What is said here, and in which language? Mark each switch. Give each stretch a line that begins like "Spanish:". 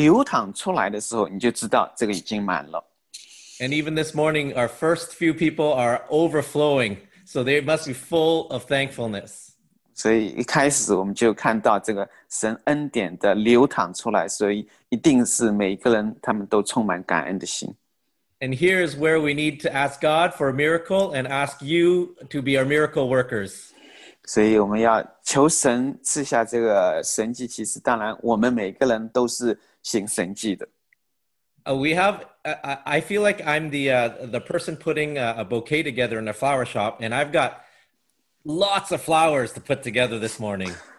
Chinese: 当你看到这个有流淌出来的时候，你就知道这个已经满了。
English: And even this morning, our first few people are overflowing, so they must be full of thankfulness.
Chinese: 所以一开始我们就看到这个神恩典的流淌出来, 所以一定是每个人他们都充满感恩的心。
English: And here is where we need to ask God for a miracle and ask you to be our miracle workers.
Chinese: 所以我们要求神赐下这个神迹奇事, 当然我们每个人都是行神迹的。
English: I feel like I'm the person putting a bouquet together in a flower shop, and I've got lots of flowers to put together this morning.